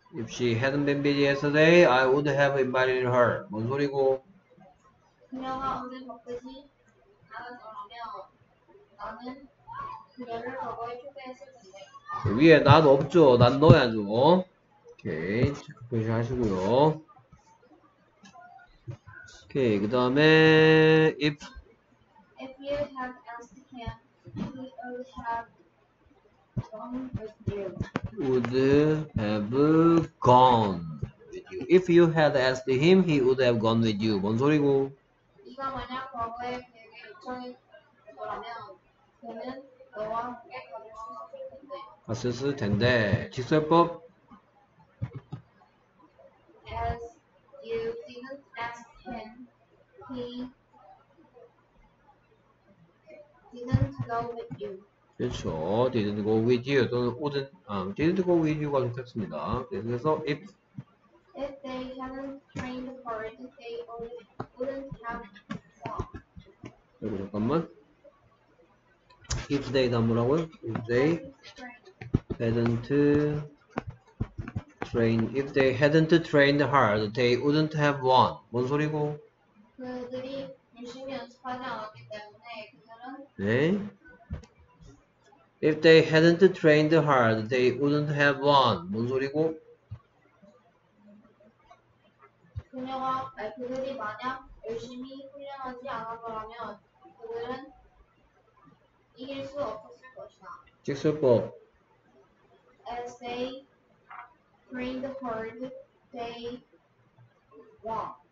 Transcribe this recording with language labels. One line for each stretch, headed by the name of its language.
English: If she hadn't been busy yesterday, I would have invited her.
Korean: 뭔 소리고? 그녀가 어제 바쁘지 않았더라면 나는 그녀를 과거에 초대했을 텐데. 위에 not 없죠. 난 넣어야죠. 오케이, 표시 하시고요. 오케이, 그 다음에 if
English: If you had asked him, he would have Would have gone with you. If you had asked him, he would have gone with you.
Korean: 뭔 소리고? 네가 만약 과거에 그에게 요청했더라면 그는 너와 함께 가고 싶었을 텐데. 갔을 텐데. 직설법?
English: As you didn't ask him, he would have gone with you.
Korean: 그렇죠.
English: Didn't go with you
Korean: 또는
English: wouldn't, didn't go with you가
Korean: 좋겠습니다. 그래서 if
English: they hadn't trained for it, they wouldn't have gone.
Korean: 잠깐만.
English: If they
Korean: 다 뭐라고요?
English: If they hadn't trained, if they hadn't trained hard, they wouldn't have won.
Korean: 뭔 소리고? 그들이 열심히 연습하지 않았기 때문에 그들은 네.
English: If they hadn't trained hard, they wouldn't have won.
Korean: 뭔 소리고? 그녀가, 그들이 만약 열심히 훈련하지 않았더라면 그들은 이길 수 없었을 것이다. 직설법.
English: As they trained hard, they won.